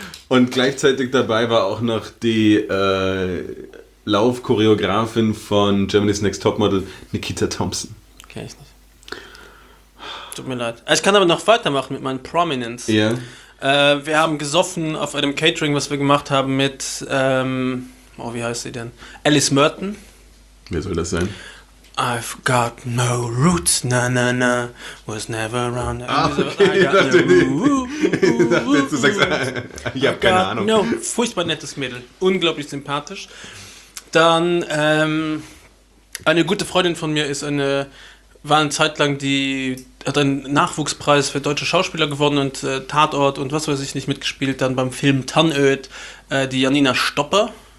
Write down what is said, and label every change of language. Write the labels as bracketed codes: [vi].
[de] Und gleichzeitig dabei war auch noch die Laufchoreografin von Germany's Next Topmodel, Nikita Thompson. Kenn ich nicht. Tut mir leid. Ich kann aber noch weitermachen mit meinen Prominence. Ja. Wir haben gesoffen auf einem Catering, was wir gemacht haben mit, wie heißt sie denn? Alice Merton. Wer soll das sein? [en] I've got no roots, na na na, was never around. [de] Ah, okay, ich dachte, du sagst, ich hab keine Ahnung. No, furchtbar nettes Mädel, unglaublich sympathisch. Dann, eine gute Freundin von mir war eine Zeit lang, die hat einen Nachwuchspreis für deutsche Schauspieler gewonnen und Tatort und was weiß ich nicht mitgespielt, dann beim Film Tannöd, die Janina Stopper.